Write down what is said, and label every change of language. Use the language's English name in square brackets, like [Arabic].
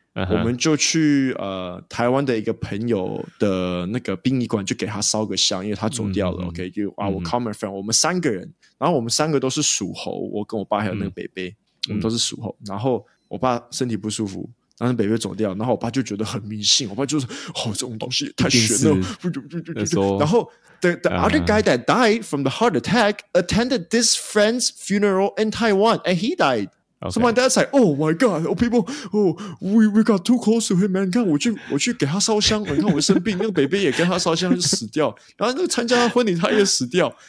[Chinese] 我们就去台湾的一个朋友的那个殡仪馆，就给他烧个香，因为他走掉了。OK， 就我 [English] common friend， [Chinese] 我们三个人，然后我们三个都是属猴，我跟我爸还有那个北北，我们都是属猴。然后我爸身体不舒服，然后北北走掉，然后我爸就觉得很迷信，我爸就说：“哦，这种东西太玄了。” 然后 [English] the other guy that died from the heart attack attended this friend's funeral in Taiwan and he died. Okay. So my dad's like, oh my god, oh people, oh, we got too close to him, man. [Chinese] 你看我去给他烧香，你看我生病，那个北北也跟他烧香就死掉，然后那个参加他婚礼他也死掉。